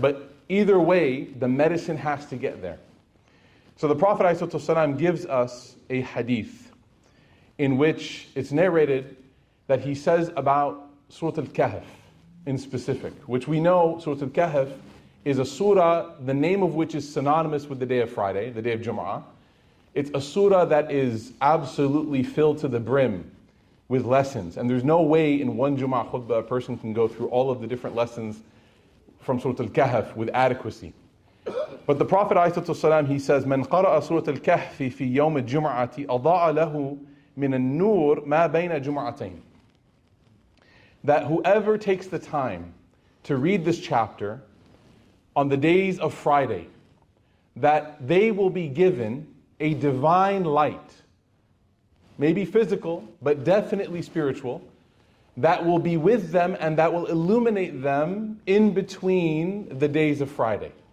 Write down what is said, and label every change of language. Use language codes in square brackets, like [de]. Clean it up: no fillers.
[en] But either way, the medicine has to get there. So the Prophet ﷺ gives us a hadith in which it's narrated that he says about Surat Al-Kahf in specific, which we know Surat Al-Kahf is a surah, the name of which is synonymous with the day of Friday, the day of Jum'ah. It's a surah that is absolutely filled to the brim with lessons. And there's no way in one Jum'ah khutbah a person can go through all of the different lessons from Surat Al-Kahf with adequacy. But the Prophet ﷺ, he says, [ar] مَنْ قَرَأَ سُورَةَ الْكَهْفِ فِي يَوْمِ الْجُمْعَةِ أَضَاءَ لَهُ مِنَ النُّورِ مَا بَيْنَ جُمْعَتَيْنِ. [en] That whoever takes the time to read this chapter on the days of Friday, that they will be given a divine light, maybe physical, but definitely spiritual, that will be with them and that will illuminate them in between the days of Friday.